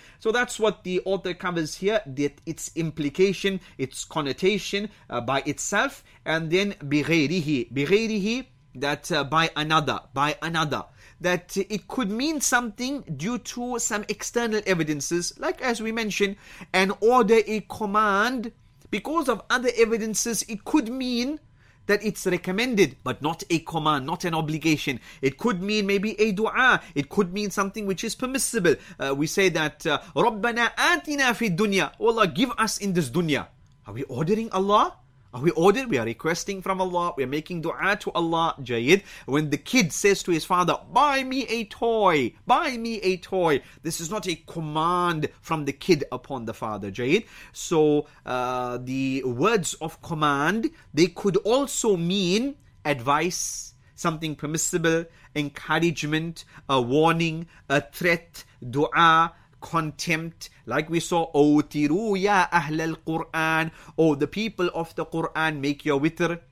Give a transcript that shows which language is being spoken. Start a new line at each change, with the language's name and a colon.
English: So that's what the author covers here, that its implication, its connotation by itself, and then bighayrihi, that by another, that it could mean something due to some external evidences, like as we mentioned, an order, a command, because of other evidences, it could mean that it's recommended, but not a command, not an obligation. It could mean maybe a dua. It could mean something which is permissible. We say that,
Arabic: رَبَّنَا آتِنَا فِي الدُّنْيَا.
English: Oh Allah, give us in this dunya. Are we ordering Allah? Are we ordered? We are requesting from Allah. We are making dua to Allah. Jayid. When the kid says to his father, buy me a toy. Buy me a toy. This is not a command from the kid upon the father. Jayid. So the words of command, they could also mean advice, something permissible, encouragement, a warning, a threat, dua, contempt, like we saw,
Arabic: O tiru ya ahl al Quran,
English: O the people of the Quran, make your witr.